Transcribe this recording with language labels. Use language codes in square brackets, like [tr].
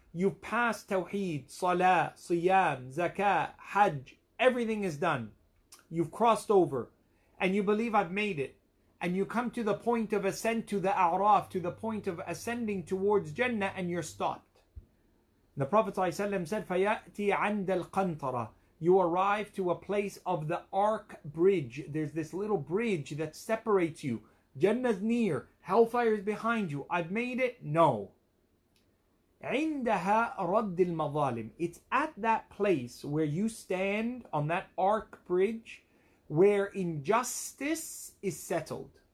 [en] You've passed tawheed, salah, siyam, zakah, hajj. Everything is done. You've crossed over. And you believe I've made it. And you come to the point of ascent to the A'raf, to the point of ascending towards Jannah, and you're stopped. The Prophet ﷺ said, [ar] فَيَأْتِي عَنْدَ الْقَنْطَرَ. [en] You arrive to a place of the Ark Bridge. There's this little bridge that separates you. Jannah's near. Hellfire is behind you. I've made it? No. [ar] عِنْدَهَا رَدِّ الْمَظَالِمِ. [en] It's at that place where you stand on that Ark Bridge, where injustice is settled.